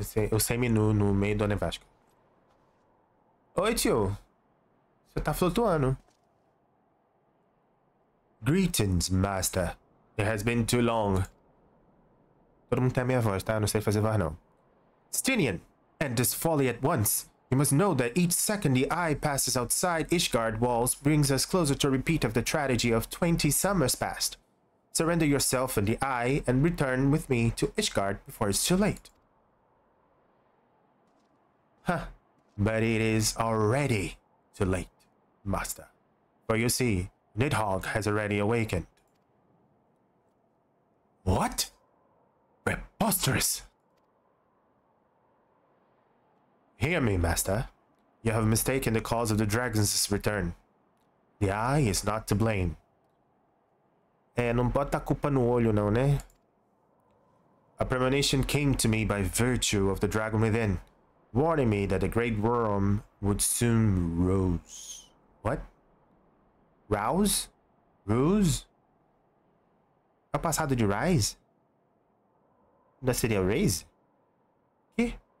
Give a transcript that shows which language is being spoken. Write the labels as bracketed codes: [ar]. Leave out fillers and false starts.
[pt] Eu semi-nu no meio da nevasca. Oi, tio. Você tá flutuando. [en] Greetings, master. It has been too long. [pt] Todo mundo tem a minha voz, tá? Eu não sei fazer voz, não. [en] Stinian, end this folly at once. You must know that each second the eye passes outside Ishgard walls brings us closer to a repeat of the tragedy of 20 summers past. Surrender yourself and the eye and return with me to Ishgard before it's too late. Huh, but it is already too late, master. For you see, Nidhogg has already awakened. What? Preposterous! Hear me, master. You have mistaken the cause of the dragon's return. The eye is not to blame. [pt] Não bota a culpa no olho não, né? [en] A premonition came to me by virtue of the dragon within. Warning me that the great worm would soon rouse. What? Rouse? Rouse? [pt] É o passado de Rise? Da seria Raze? Que?